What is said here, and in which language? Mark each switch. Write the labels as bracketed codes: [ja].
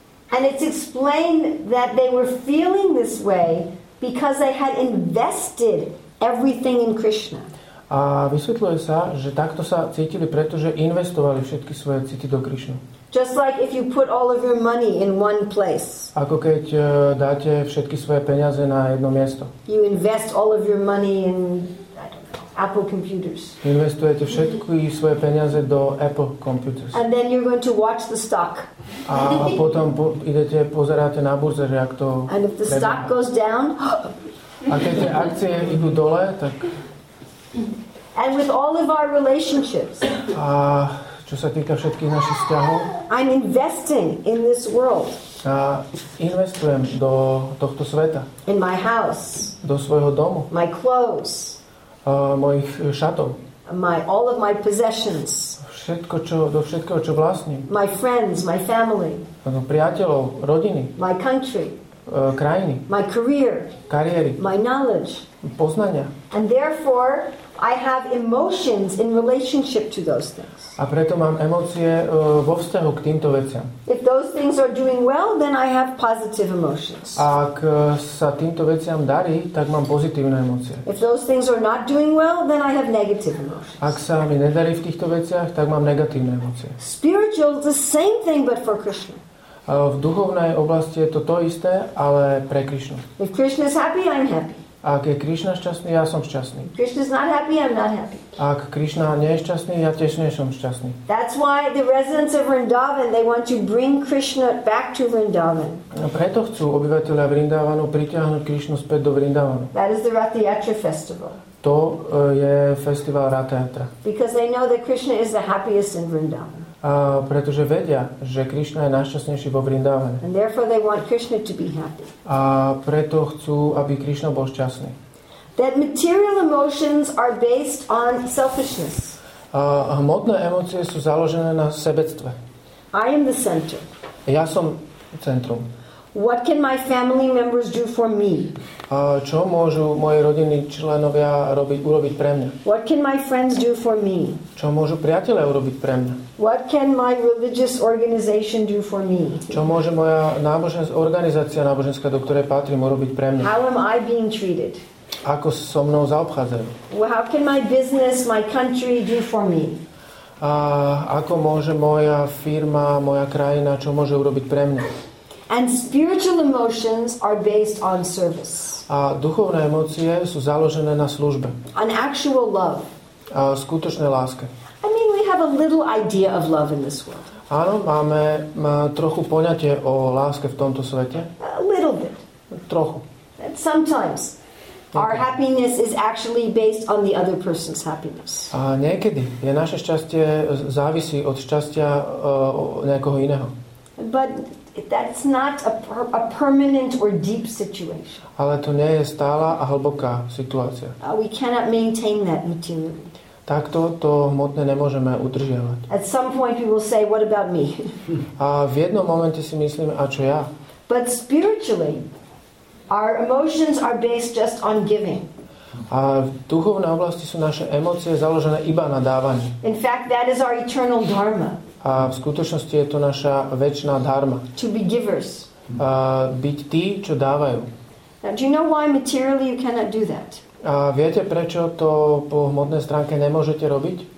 [en] And it's explained that they were feeling this way because they had invested everything in Krishna. [sk] A vysvetľuje sa, že takto sa cítili, pretože investovali všetky svoje city do Krishna. [en] Just like if you put all of your money in one place. [sk] Ako keď dáte všetky svoje peniaze na jedno miesto. [en] You invest all of your money in, I don't know, Apple computers. [sk] Investujete všetky svoje peniaze do Apple computers. [en] And then you're going to watch the stock. [sk] A potom idete pozeráte na burze, že ak to... [en] And if the [sk] prebieha. [en] Stock goes down... [sk] A keď tie akcie idú dole, tak... [en] And with all of our relationships. [sk] A čo sa týka všetkých našich vzťahov. [en] I'm investing in this world. [sk] A investujem do tohto sveta. [en] In my house. [sk] Do svojho domu. [en] My clothes. [sk] Mojich šatov. [en] All of my possessions. [sk] Do všetkého, čo vlastním. [en] My friends, my family. [sk] Do priateľov, rodiny. [en] My country. [sk] Krajiny. [en] My career. [sk] Kariéry. [en] My knowledge. [sk] Poznania. [en] And therefore I have emotions in relationship to those things. [sk] A preto mám emócie vo vzťahu k týmto veciam. [en] If those things are doing well, then I have positive emotions. [sk] Ak sa týmto veciam darí, tak mám pozitívne emócie. [en] If those things are not doing well, then I have negative emotions. [sk] Ak sa mi nedarí v týchto veciach, tak mám negatívne emócie. [en] Spiritual is the same thing but for Krishna. [sk] V duchovnej oblasti je to isté, ale pre Krishnu. [en] If Krishna is happy, I'm happy. [sk] Ak je Krishna šťastný, ja som šťastný. [en] Krishna is not happy, I'm not happy. [sk] Ak Krishna nie je šťastný, ja tiež nie som šťastný. [en] That's why the residents of Vrindavan, they want to bring Krishna back to Vrindavan. [sk] A preto chcú obyvatelia Vrindavanu pritiahnuť Krishnu späť do Vrindavanu. [en] That is the Ratha-yatra festival. [sk] To je festival Ratha-yatra. [en] Because they know that Krishna is the happiest in Vrindavan. [sk] A pretože vedia, že Krishna je najšťastnejší vo Vrindavane. [en] And therefore they want Krishna to be happy. [sk] A preto chcú, aby Krishna bol šťastný. [en] That material emotions are based on selfishness. [sk] A hmotné emócie sú založené na sebectve. [en] I am the center. [sk] Ja som centrum. [en] What can my family members do for me? [sk] A čo môžu moji rodinní členovia urobiť pre mňa? [en] What can my friends do for me? [sk] Čo môžu priatelia urobiť pre mňa? [en] What can my religious organization do for me? [sk] Čo môže moja organizácia náboženská, do ktorej patrím, urobiť pre mňa? [en] How am I being treated? [sk] Ako so mnou zaobchádzajú? [en] How can my business, my country do for me? [sk] A ako môže moja firma, moja krajina, čo môže urobiť pre mňa? [en] And spiritual emotions are based on service. [sk] A duchovné emócie sú založené na službe. [en] On actual love. [sk] A skutočné láske. [en] I mean, we have a little idea of love in this world. [sk] Áno, máme trochu poňatie o láske v tomto svete. [en] A little bit. [sk] Trochu. [en] Sometimes our happiness is actually based on the other person's happiness. [sk] A niekedy je naše šťastie závisí od šťastia nejakého iného. [en] But that's not a permanent or deep situation. [sk] Ale to nie je stála a hlboká situácia. [en] We cannot maintain that material. [sk] Takto to hmotné nemôžeme udržiavať. [en] At some point we will say, what about me? [sk] A v jednom momente si myslíme, a čo ja? [en] But spiritually, our emotions are based just on giving. [sk] A v duchovnej oblasti sú naše emócie založené iba na dávaní. [en] In fact, that is our eternal dharma. [sk] A v skutočnosti je to naša večná dharma. [en] To be givers. [sk] byť tí, čo dávajú. [en] Now, do you know why materially you cannot do that? [sk] A viete, prečo to po hmotnej stránke nemôžete robiť?